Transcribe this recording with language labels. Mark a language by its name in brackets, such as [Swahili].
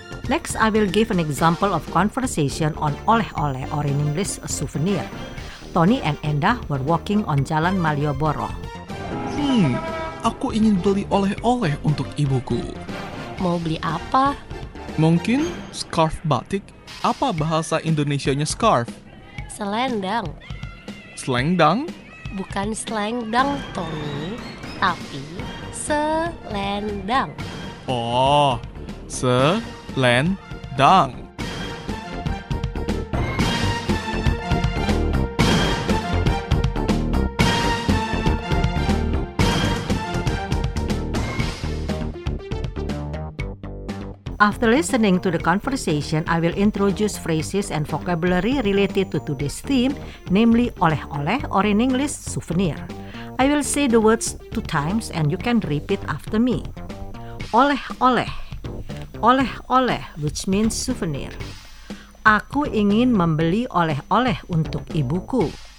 [English] Next, I will give an example of conversation on oleh-oleh, or in English, a souvenir. Tony and Enda were walking on Jalan Malioboro. [Indonesian] Aku ingin beli oleh-oleh untuk ibuku. Mau beli apa? Mungkin scarf batik. Apa bahasa Indonesianya scarf? Selendang. Selendang? Bukan selendang, Tony, tapi selendang. Oh, selendang. [English] After listening to the conversation, I will introduce phrases and vocabulary related to today's theme, namely oleh-oleh, or in English, souvenir. I will say the words two times and you can repeat after me. Oleh-oleh. Oleh-oleh, which means souvenir. [Indonesian] Aku ingin membeli oleh-oleh untuk ibuku.